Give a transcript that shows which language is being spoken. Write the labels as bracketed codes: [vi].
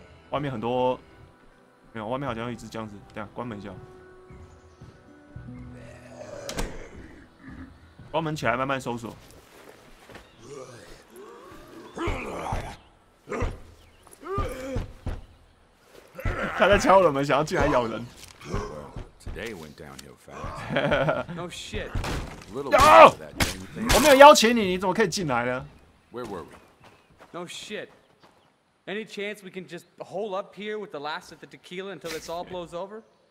[zh] 外面很多，没有，外面好像有一只僵尸。等下关门一下，关门起来慢慢搜索。他在敲我们，想要进来咬人。 [en] Today went downhill fast. No shit. Little bit of that thing. [zh] 我没有邀请你，你怎么可以进来呢 ？ [en] Where were we? No shit. Any chance we can just hole up here with the last of the tequila until this all blows over?